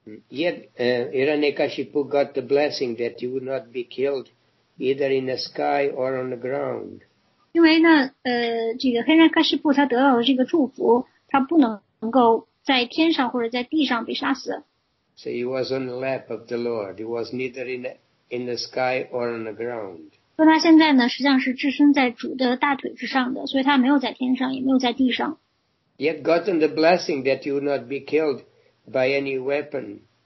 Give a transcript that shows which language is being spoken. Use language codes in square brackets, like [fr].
[en] Yet, Hiranyakashipu got the blessing that he would not be killed either in the sky or on the ground. [zh] 因为呢，这个黑人卡西布他得到了这个祝福，他不能够在天上或者在地上被杀死。 [en] So he was on the lap of the Lord. He was neither in the sky or on the ground. [zh] 所以他现在呢，实际上是置身在主的大腿之上的，所以他没有在天上，也没有在地上。 [en] Yet gotten the blessing that you would not be killed by any weapon.